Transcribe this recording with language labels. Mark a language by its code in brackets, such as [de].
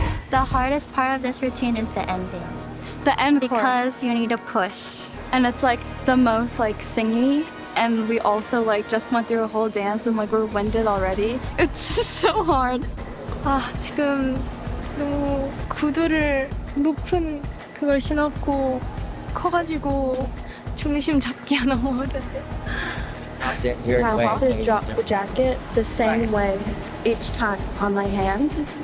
[en] The hardest part of this routine is the ending. The end part. Because you need to push. And it's like the most like singy. And we also like just went through a whole dance and like we're winded already. It's just so hard. [ko] 아, 지금 너무 구두를 높은 그걸 신었고 커가지고 중심 잡기 하나 어려워. [en] Can I also drop the jacket the same way each time on my hand?